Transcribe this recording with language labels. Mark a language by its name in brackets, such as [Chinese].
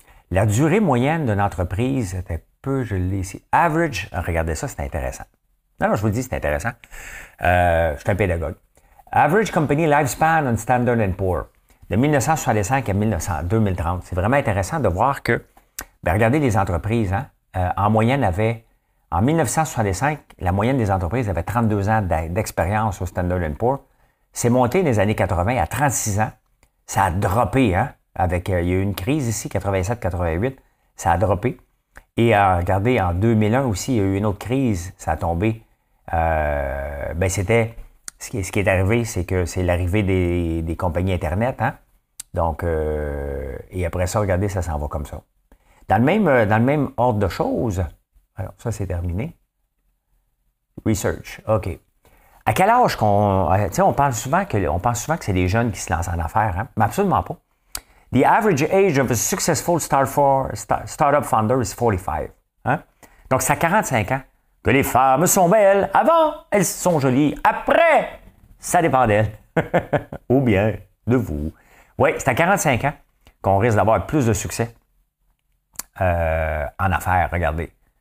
[French] La durée moyenne d'une entreprise, c'est un peu, je l'ai ici. Average, regardez ça, c'est intéressant. Non, non, je vous le dis, c'est intéressant. Je suis un pédagogue. [English] Average company lifespan on Standard & Poor's. [French] De 1965 à 2030. C'est vraiment intéressant de voir que, ben regardez les entreprises, hein, en moyenne avaient, en 1965, la moyenne des entreprises avait 32 ans d'expérience au Standard & Poor's. C'est monté dans les années 80 à 36 ans. Ça a droppé, hein, avec, il y a eu une crise ici, 87-88, ça a droppé. Et regardez, en 2001 aussi, il y a eu une autre crise, ça a tombé. Ben c'était, ce qui est arrivé, c'est que c'est l'arrivée des compagnies Internet, hein. Donc, et après ça, regardez, ça s'en va comme ça. Dans le même ordre de choses, alors ça c'est terminé. [English] Research, OK. [French] À quel âge qu'on... Tu sais, on pense souvent que c'est les jeunes qui se lancent en affaires, hein? Mais absolument pas. [English] The average age of a successful startup founder is 45. [French] Hein? Donc, c'est à 45 ans que les femmes sont belles. Avant, elles sont jolies. Après, ça dépend d'elles. Ou bien de vous. Oui, c'est à 45 ans qu'on risque d'avoir plus de succès en affaires, regardez.